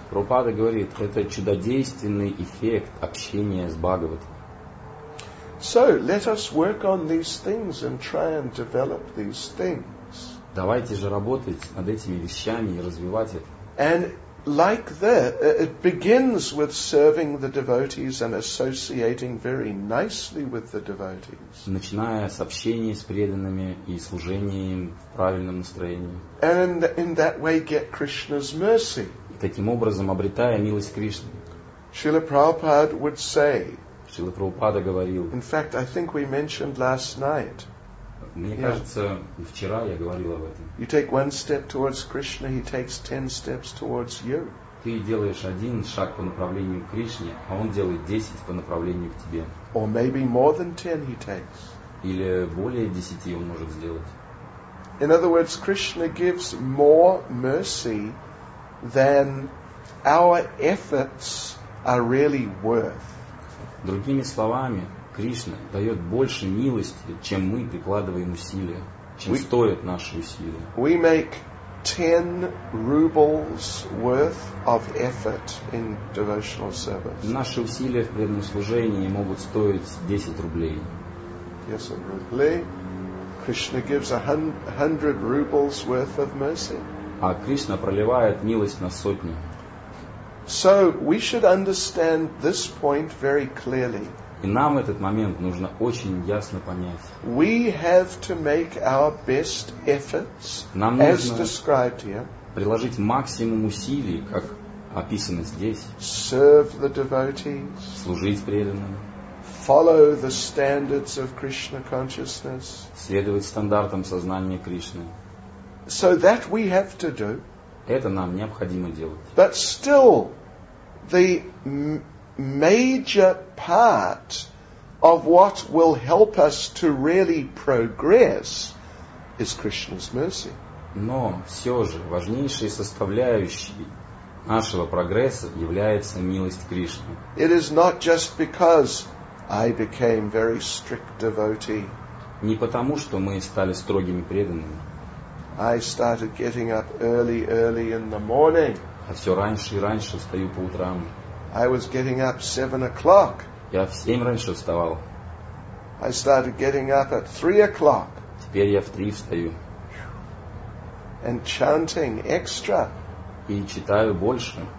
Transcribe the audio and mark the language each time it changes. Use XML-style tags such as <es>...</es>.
<ru>Прабхупада говорит, это чудодейственный эффект общения с Бхагаватом.</ru> <en>So let us work on these things and try and develop these things.</en> <ru>Давайте же работать над этими вещами и развивать это.</ru> <en>And like that, it begins with serving the devotees and associating very nicely with the devotees.</en> <ru>Начиная с общения с преданными и служения им в правильном настроении.</ru> <en>And in that way get Krishna's mercy.</en> <ru>И таким образом обретая милость Кришны.</ru> <en>Srila Prabhupada would say,</en> <ru>Шрила Прабхупада говорил.</ru> <en>In fact, I think we mentioned last night.</en> <ru>Мне кажется, вчера я говорил об этом.</ru> <en>You take one step towards Krishna, he takes 10 steps towards you.</en> <ru>Ты делаешь один шаг по направлению к Кришне, а он делает 10 по направлению к тебе.</ru> <en>Or maybe more than 10 he takes.</en> <ru>Или более 10 он может сделать.</ru> <en>In other words, Krishna gives more mercy than our efforts are really worth.</en> <ru>Другими словами, Кришна дает больше милости, чем мы прикладываем усилия, чем стоят наши усилия.</ru> <en>We make 10 rubles worth of effort in devotional service.</en> <ru>Наши усилия в преданном служении могут стоить 10 рублей.</ru> <en>Yes, a ruble. Krishna gives 100 rubles worth of mercy.</en> <ru>А Кришна проливает милость на сотню.</ru> <en>So we should understand this point very clearly.</en> <ru>И нам этот момент нужно очень ясно понять.</ru> <en>We have to make our best efforts,</en> <ru>нам нужно</ru> <en>as described here,</en> <ru>приложить максимум усилий, как описано здесь.</ru> <en>Serve the devotees,</en> <ru>служить преданным.</ru> <en>Follow the standards of Krishna consciousness,</en> <ru>следовать стандартам сознания Кришны.</ru> <en>So that we have to do.</en> <ru>Это нам необходимо делать.</ru> <en>But still, the major part of what will help us to really progress is Krishna's mercy.</en> <ru>Но все же важнейшей составляющей нашего прогресса является милость Кришны.</ru> <en>It is not just because I became very strict devotee.</en> <ru>Не потому, что мы стали строгими преданными.</ru> <en>I started getting up early in the morning.</en> <ru>А все раньше и раньше встаю по утрам.</ru> <en>I was getting up 7 o'clock.</en> <ru>Я в 7 раньше вставал.</ru> <en>I started getting up at 3 o'clock.</en> <ru>Теперь я в 3 встаю.</ru> <en>and chanting extra.</en> <ru>И читаю больше.</ru>